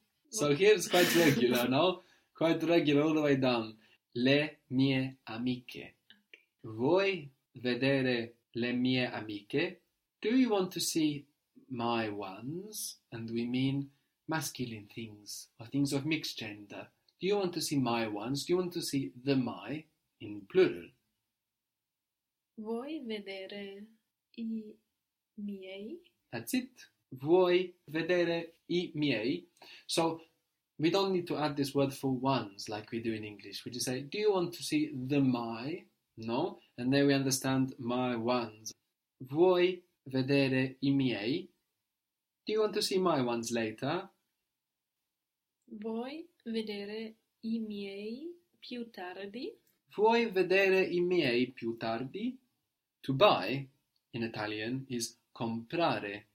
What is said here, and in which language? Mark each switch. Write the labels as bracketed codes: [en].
[en] So here it's quite regular, no? Quite regular all the way down. [it] Le mie amiche. [en] Okay. [it] Vuoi vedere le mie amiche? [en] Do you want to see my ones? And we mean masculine things or things of mixed gender. Do you want to see my ones? Do you want to see the my in plural? [it] Vuoi vedere i miei? [en] That's it. [it] Vuoi vedere i miei? [en] So we don't need to add this word for ones like we do in English. We just say, do you want to see the my? No. And then we understand my ones. [it] Vuoi vedere i miei? [en] Do you want to see my ones later? [it] Vuoi vedere i miei più tardi? Vuoi vedere i miei più tardi? [en] To buy in Italian is comprare.